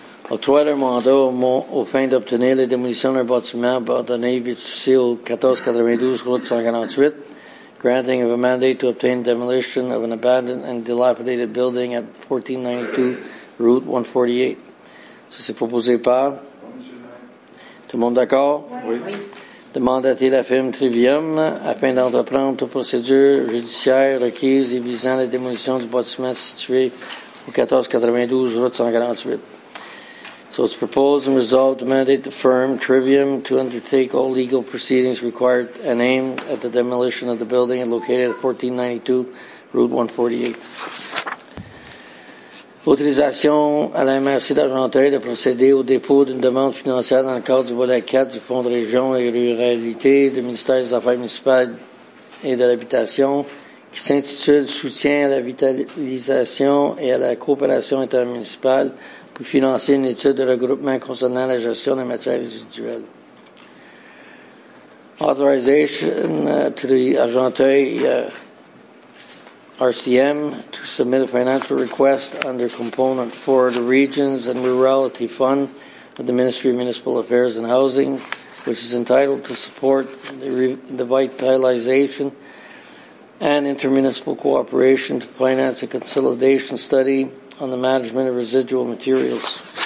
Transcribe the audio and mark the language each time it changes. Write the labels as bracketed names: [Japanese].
[French] Octroyer un mandat au fin d'obtenir la démolition d'un bâtiment abandonné vitusé au 1492 route 148, [English] granting of a mandate to obtain demolition of an abandoned and dilapidated building at 1492 route 148. [French] Ça, c'est proposé par? Tout le monde d'accord? Oui. Demandatez la firme Trivium afin d'entreprendre toute procédure judiciaire requise et visant la démolition du bâtiment situé au 1492 route 148. [English] So it's proposed and resolved to mandate the firm Trivium to undertake all legal proceedings required and aimed at the demolition of the building located at 1492 route 148. [French] Autorisation à la MRC d'Argenteuil de procéder au dépôt d'une demande financière dans le cadre du volet 4 du Fonds de région et ruralité du ministère des Affaires municipales et de l'Habitation qui s'intitule Soutien à la vitalisation et à la coopération intermunicipale pour financer une étude de regroupement concernant la gestion des matières résiduelles. [English] Authorization to the Argenteuil RCM to submit a financial request under component for the Regions and Rurality Fund of the Ministry of Municipal Affairs and Housing, which is entitled to support the revitalization and intermunicipal cooperation to finance a consolidation study on the management of residual materials.